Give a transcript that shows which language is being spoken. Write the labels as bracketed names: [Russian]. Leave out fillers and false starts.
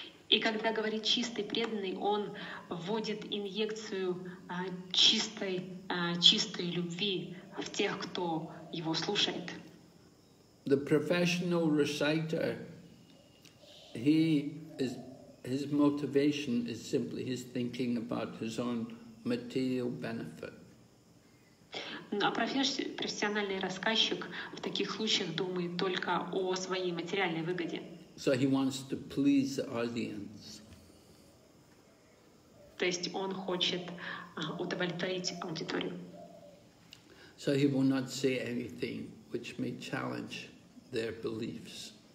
[Russian] И когда говорит чистый преданный, он вводит инъекцию чистой любви в тех, кто его слушает. [English] The professional reciter, his motivation is simply his thinking about his own material benefit. [Russian] А профессиональный рассказчик в таких случаях думает только о своей материальной выгоде. [English] So he wants to please the audience. [Russian] То есть он хочет удовлетворить аудиторию. [English] So he will not say anything which may challenge their beliefs.